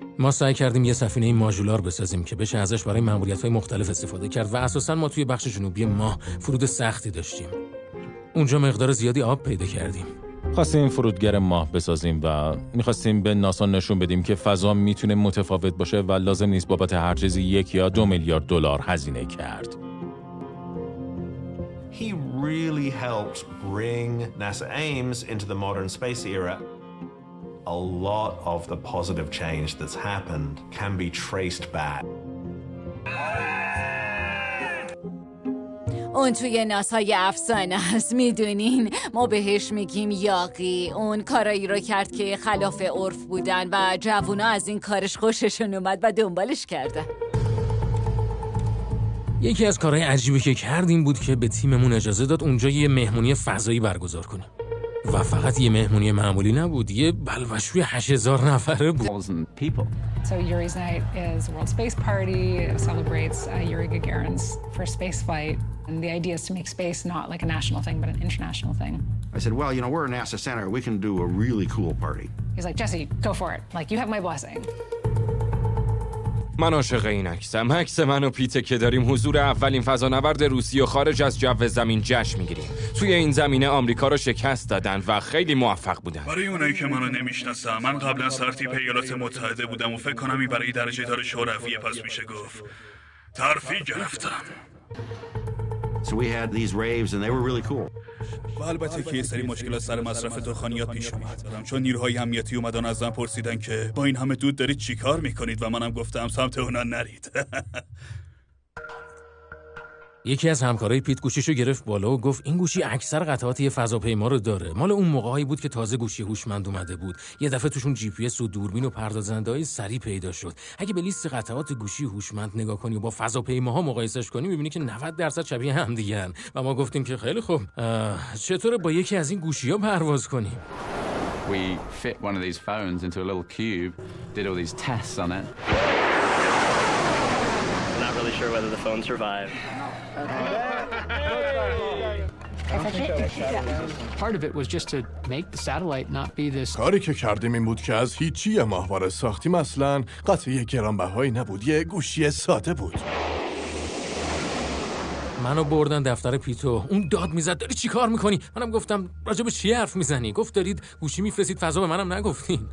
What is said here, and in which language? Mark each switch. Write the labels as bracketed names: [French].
[Persian] ما سعی کردیم یه سفینه ماژولار بسازیم که بشه ازش برای ماموریت‌های مختلف استفاده کرد و اساساً ما توی بخش جنوبی ماه فرود سختی داشتیم. اونجا مقدار زیادی آب پیدا کردیم. خواستیم فرودگر ماه بسازیم و میخواستیم به ناسا نشون بدیم که فضا میتونه متفاوت باشه و لازم نیست بابت هر چیزی 1 یا 2 میلیارد دلار هزینه کرد. [English] He really helped bring NASA Ames into the modern space era. A lot of the positive change that's happened can be traced back. [Persian] اون توی ناسای افسانه هست، میدونین ما بهش میگیم یاقی. اون کارایی رو کرد که خلاف عرف بودن و جوونا از این کارش خوششون اومد و دنبالش کرده. یکی از کارهای عجیبی که کردیم بود که به تیممون اجازه داد اونجا یه مهمونی فضایی برگزار کنیم و فقط یه مهمونی معمولی نبود، یه بلوشوی 8000 نفره بود. [English] So Yuri's night is World Space Party. It celebrates Yuri Gagarin's first space flight and the idea is to make space not like a national thing but an international thing. I said, "Well, you know, we're a NASA center. We can do a really cool party." He's like, "Jesse, go for it. Like you have my blessing." [Persian] من عاشق این عکسم. عکس من و پیته که داریم حضور اولین فضانورد روسی و خارج از جو زمین جشن میگیریم. توی این زمینه آمریکا رو شکست دادن و خیلی موفق بودن. برای اونایی که منو نمیشناسن، من قبلا سرتیپ ایالات متحده بودم و فکر کنم این برای درجه دار شورویه، پس میشه گفت ترفیع گرفتم. [English] So we had these raves and they were really cool. [Persian] و البته که یه سری مشکلات سر مصرف دخانیات پیش اومد. چون نیروهای امنیتی اومدن ازم پرسیدن که با این همه دود دارید چیکار میکنید و منم گفتم سمت اونا نرید. یکی از همکارای پیت گوشیشو گرفت بالا و گفت این گوشی اکثر قطعات یه فضاپیما رو داره. مال اون موقعی بود که تازه گوشی هوشمند اومده بود. یه دفعه توشون جی پی اس و دوربین و پردازنده‌های سری پیدا شد. اگه به لیست قطعات گوشی هوشمند نگاه کنی و با فضاپیماها مقایسش کنی می‌بینی که 90% شبیه هم دیگه‌ن. و ما گفتیم که خیلی خوب، چطوره با یکی از این گوشی‌ها پرواز کنیم؟ [English] We fit one of these phones into a little cube, did all these tests on it. Not really sure whether the phone survived. Part of it was just to make the satellite not be this. [Persian] کاری که کردیم این بود که از هیچی ماهواره ساختیم اصلا قطعه گرانبهایی نبود، یه گوشی ساده بود. منو بردن دفتر پیتو، اون داد میزد داری چی کار میکنی؟ منم گفتم راجب چی حرف میزنی؟ گفت دارید گوشی میفرستید فضا، به منم نگفتین.